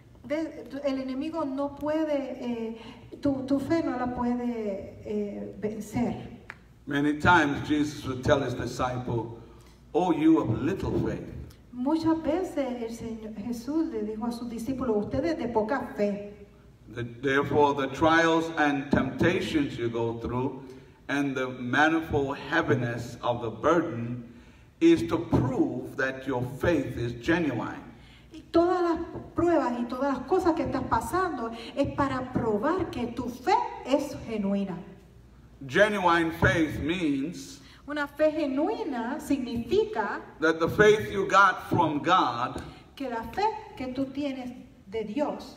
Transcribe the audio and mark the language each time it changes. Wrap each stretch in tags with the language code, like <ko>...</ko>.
<es>El enemigo no puede, tu fe no la puede vencer.</es> <en>Many times Jesus would tell his disciple, "Oh, you of little faith."</en> <es>Muchas veces el Señor Jesús le dijo a sus discípulos, ustedes de poca fe.</es> <en>Therefore, the trials and temptations you go through and the manifold heaviness of the burden is to prove that your faith is genuine.</en> <es>Y todas las pruebas y todas las cosas que estás pasando es para probar que tu fe es genuina.</es> <en>Genuine faith means</en> <es>una fe genuina significa</es> <en>that the faith you got from God,</en> <es>que la fe que tú tienes de Dios,</es>